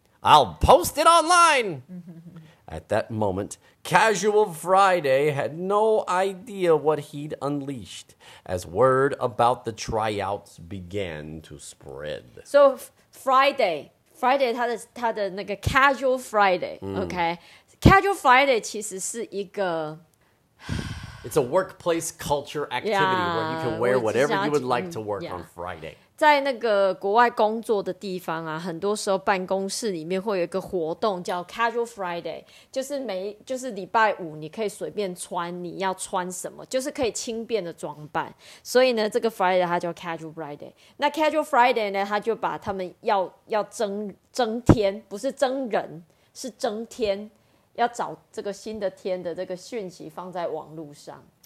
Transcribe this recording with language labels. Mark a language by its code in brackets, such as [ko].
[en] I'll post it online! At that moment, Casual Friday had no idea what he'd unleashed as word about the tryouts began to spread. So, Friday... [zh] Friday 他的那个 casual Friday,、mm. [en] okay? [zh] Casual Friday 其实是一个 [en] It's a workplace culture activity yeah, where you can wear whatever you would like to work、yeah. on Friday. [zh] 在那个国外工作的地方啊，很多时候办公室里面会有一个活动叫 casual Friday, 就是礼拜五你可以随便穿你要穿什么，就是可以轻便的装扮。所以呢这个 Friday 它叫 casual Friday。那 casual Friday 呢它就把他们要增添，不是增人，是增添，要找这个新的天的这个讯息放在网络上。